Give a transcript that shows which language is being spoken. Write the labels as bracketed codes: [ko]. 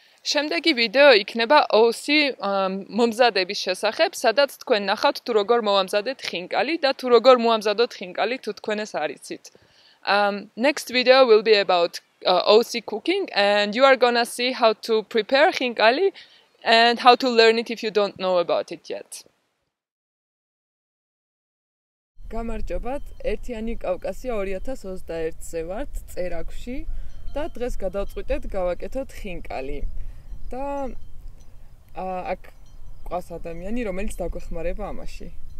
[ka] შემდეგი ვიდეო იქნება ოსი მომზადების შესახებ, სადაც თქვენ ნახავთ, თუ როგორ მოამზადეთ ხინკალი და თუ როგორ მოამზადოთ ხინკალი, თუ თქვენ ეს არიცით. [en] Next video will be about ოსი cooking, and you are gonna see how to prepare ხინკალი and how to learn it if you don't know about it yet. [ka] გამარჯობათ, ერთიანი კავკასია 2021-ზე ვართ წერაკში და დღეს გადავწყვიტეთ გავაკეთოთ ხინკალი. Да აქ ყავს ადამიანი, რომელიც დაგვეხმარება ამაში.